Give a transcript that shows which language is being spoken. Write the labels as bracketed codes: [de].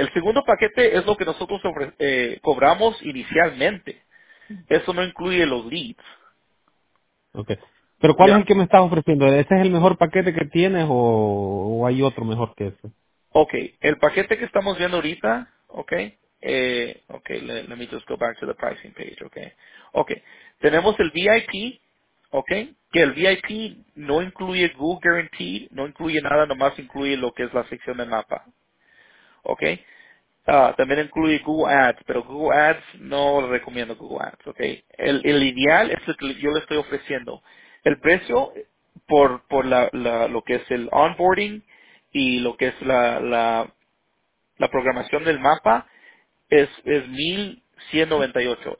[es] El segundo paquete es lo que nosotros cobramos inicialmente. Eso no incluye los leads. Okay. ¿Pero cuál es el que me estás ofreciendo? ¿Ese es el mejor paquete que tienes o hay otro mejor que ese? Okay. El paquete que estamos viendo ahorita, okay. Okay. [en] Let me just go back to the pricing page, okay. [es] Okay. Tenemos el VIP. Okay, que el VIP no incluye Google Guaranteed, no incluye nada, nomás incluye lo que es la sección de mapa. Okay, también incluye Google Ads, pero Google Ads no le recomiendo Google Ads. Okay, el ideal es el que yo le estoy ofreciendo. El precio por lo que es el onboarding y lo que es la programación del mapa es 1,198.